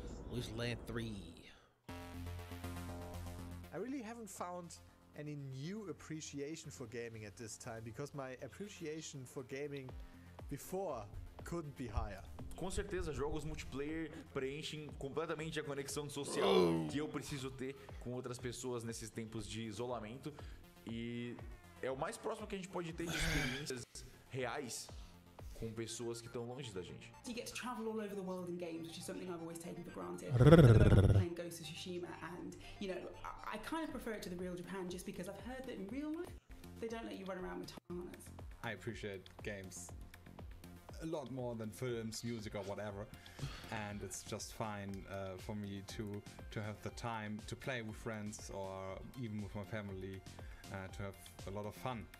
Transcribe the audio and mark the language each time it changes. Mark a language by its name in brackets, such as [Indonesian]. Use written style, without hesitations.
[English] Loose Land 3. I really haven't found any new appreciation for gaming at this time, because my appreciation for gaming before couldn't be higher. [Portuguese] Com certeza, jogos multiplayer preenchem completamente a conexão social que eu preciso ter com outras pessoas nesses tempos de isolamento. E é o mais próximo que a gente pode ter de experiências reais com pessoas que estão longe da gente. [English] You get to travel all over the world in games, which is something I've always taken for granted. Playing Ghost of Tsushima, and you know, I kind of prefer it to the real Japan just because I've heard that in real life they don't let you run around with katanas. I appreciate games a lot more than films, music, or whatever, and it's just fine for me to have the time to play with friends or even with my family, to have a lot of fun.